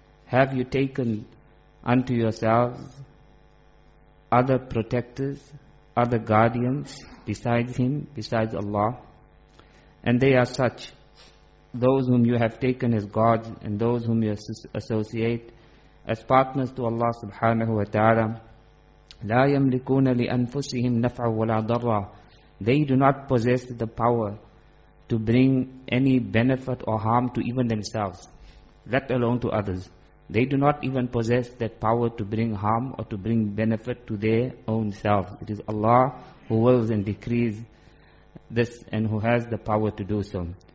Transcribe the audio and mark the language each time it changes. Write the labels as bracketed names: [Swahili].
[English] Have you taken unto yourselves other protectors, other guardians besides Him, besides Allah? And they are such, those whom you have taken as gods and those whom you associate as partners to Allah subhanahu wa ta'ala. [Arabic] لا يملكون لأنفسهم نفع ولا ضرا. [English] They do not possess the power to bring any benefit or harm to even themselves, let alone to others. They do not even possess that power to bring harm or to bring benefit to their own selves. It is Allah who wills and decrees this and who has the power to do so.